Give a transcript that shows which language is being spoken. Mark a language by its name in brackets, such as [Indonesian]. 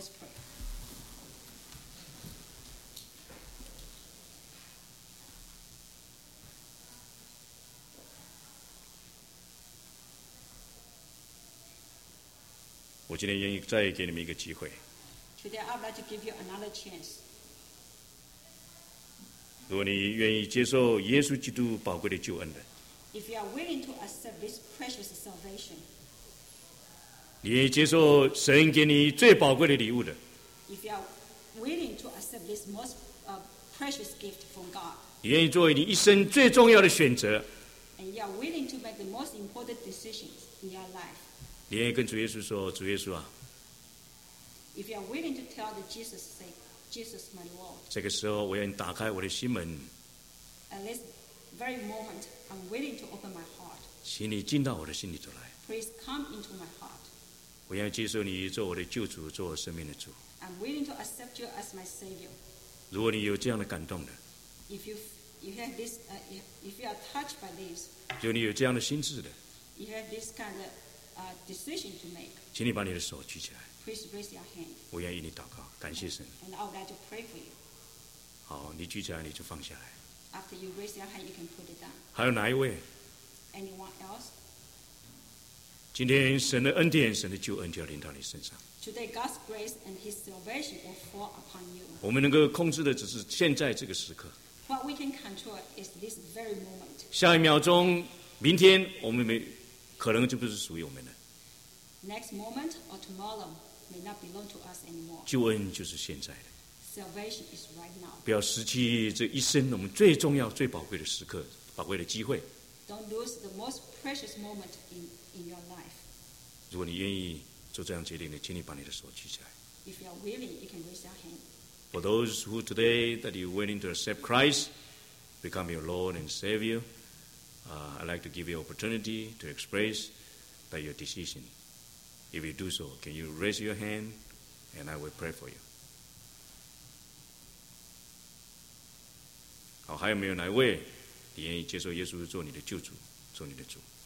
[English] Let's pray. [Chinese] 我今天愿意再给你们一个机会。 [English] Today I would like to give you another chance. [Chinese] 如果你愿意接受耶稣基督宝贵的救恩的。 [English] If you are willing to accept this precious salvation. [Chinese] 你愿意接受神给你最宝贵的礼物的。 [English] If you are willing to accept this most precious gift from God. [Chinese] 你愿意作为你一生最重要的选择。 [English] And you are willing to make the most important decisions in your life. [Chinese] 你愿意跟主耶稣说，主耶稣啊 [English] ，If you are willing to tell the Jesus, say, Jesus, my Lord. [Chinese] 这个时候，我愿意打开我的心门。 [English] At this very moment, I'm willing to open my heart. [Chinese] 请你进到我的心里头来。 [English] Please come into my heart. [Chinese] 我愿意接受你做我的救主，做我生命的主。 [English] I'm willing to accept you as my Savior. [Chinese] 如果你有这样的感动的 [English] ，If you have this, if you are touched by this, [Chinese] 就你有这样的心智的 [English] ，You have this kind of. Decision to make. [Chinese] 请你把你的手举起来。 [English] Please raise your hand. [Chinese] 我愿意为你祷告，感谢神。 [English] And I would like to pray for you. [Chinese] 好，你举起来，你就放下来。 [English] After you raise your hand, you can put it down. [Chinese] 还有哪一位 [English] ？Anyone else? [Chinese] 今天神的恩典、神的救恩就要临到你身上。 [English] Today God's grace and His salvation will fall upon you. [Chinese] 我们能够控制的只是现在这个时刻。 [English] What we can control is this very moment. [Chinese] 下一秒钟，明天我们没。可能就不是属于我们的。 [English] Next moment or tomorrow may not belong to us anymore. [Chinese] 救恩就是现在的。 [English] Salvation is right now. [Chinese] 不要失去这一生我们最重要、最宝贵的时刻、宝贵的机会。 [English] Don't lose the most precious moment in your life. [Chinese] 如果你愿意做这样决定的，请你把你的手举起来。 [English] If you are willing, you can raise your hand. For those who today that you are willing to accept Christ, become your Lord and Savior. I'd like to give you an opportunity to express that your decision. If you do so, can you raise your hand and I will pray for you. [Chinese] 好，还有没有哪一位你愿意接受耶稣做你的救主，做你的主？